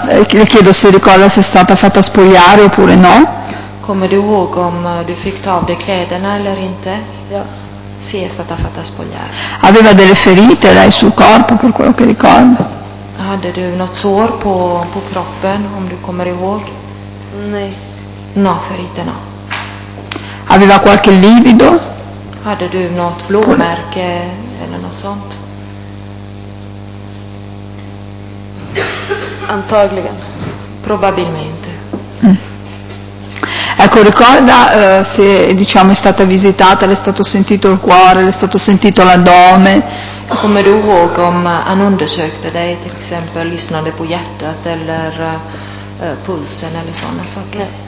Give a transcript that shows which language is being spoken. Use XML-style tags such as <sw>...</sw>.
<it>Le chiedo se ricorda se è stata fatta spogliare oppure no.</it> <sv>Come du ihåg om du fick ta av dig kläderna eller inte? Ja.</sv> <it>Sì, è stata fatta spogliare. Aveva delle ferite lei sul corpo, per quello che ricordo?</it> <sv>Hade du något sår på kroppen, om du kommer ihåg? Nej.</sv> <it>No, ferite no. Aveva qualche livido?</it> <sv>Hade du något blåmärke eller något sånt? Antagligen.</sv> <it>Probabilmente. Ecco, ricorda se diciamo è stata visitata, le è stato sentito il cuore, le è stato sentito l'addome.</it> <sv>Come du ihåg om han undersökte dig, till exempel lyssnade på hjärtat eller pulsen eller sådana saker?</sv>